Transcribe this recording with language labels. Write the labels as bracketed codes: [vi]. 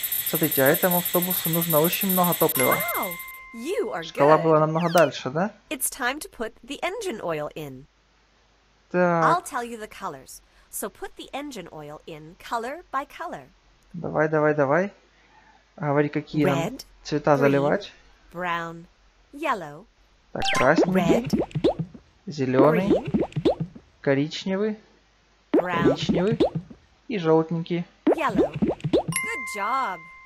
[ru] Смотрите, а этому автобусу нужно очень много топлива. [en] You are good. [ru] Шкала была намного дальше, да? [en] It's time to put the engine oil in. Так. I'll tell you the colors. So put the engine oil in color by color. [ru] Давай, давай, давай. Говори, какие red, нам цвета green, заливать. [en] Brown, yellow. [ru] Так, красный. Red, зеленый. Green, коричневый. Brown, коричневый. И желтенький. [en] Yellow. Good job.